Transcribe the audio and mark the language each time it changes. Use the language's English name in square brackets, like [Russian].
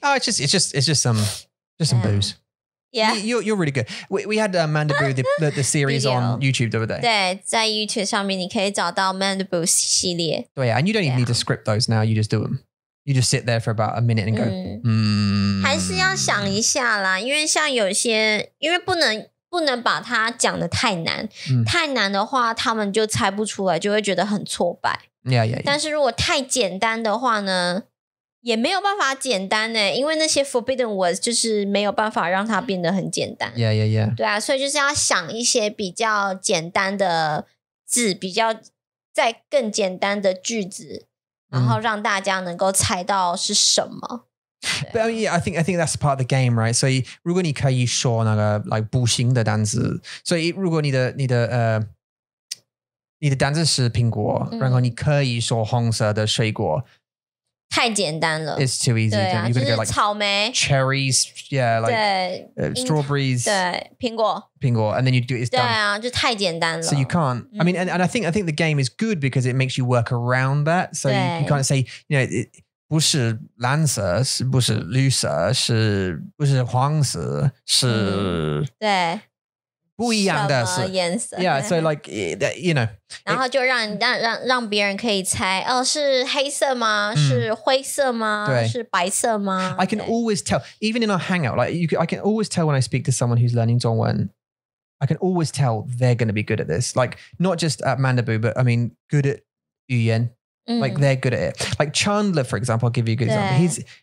[English] Oh, it's just some booze. Yeah. You're really good. We had Mandaboo, the series on YouTube the other day. [Chinese] 对,在 YouTube 上面你可以找到 Mandaboo 系列. 对啊, [English] and you don't even need to script those now, you just do them. you just sit there for about a minute and go, [Chinese] 还是要想一下啦，因为像有些，因为不能把它讲得太难，太难的话，他们就猜不出来，就会觉得很挫败。 [English] Yeah. [Chinese] 但是如果太简单的话呢，也没有办法简单耶，因为那些 [English] forbidden words [Chinese] 就是没有办法让它变得很简单。 [English] Yeah. [Chinese] 对啊，所以就是要想一些比较简单的字，比较再更简单的句子，然后让大家能够猜到是什么。 [English] But yeah, I think that's part of the game, right? So, [Chinese] 如果你可以说那个 like 不行的单词，所以如果你的单词是苹果，然后你可以说红色的水果，太简单了。 [English] It's too easy. [Chinese] 对啊，就是草莓 [English] cherries, yeah, like strawberries. [Chinese] 对，苹果 [English] and then you do it. [Chinese] 对啊，就太简单了。 [English] So you can't. I mean, and I think the game is good because it makes you work around that. So you can't say, you know. It, [Chinese] 不是蓝色，是不是绿色，是不是黄色，是对不一样的什么颜色 [English] ？Yeah, so like you know. [Chinese] 然后就让别人可以猜，哦，是黑色吗？是灰色吗？是白色吗 [English] ？I can always tell, even in our hangout. Like you, I can always tell when I speak to someone who's learning [Chinese] 中文. [English] I can always tell they're going to be good at this. Like not just at Mandarin, but I mean, good at [Chinese] 语言。 [English] Like they're good at it. Like Chandler, for example, I'll give you a good example.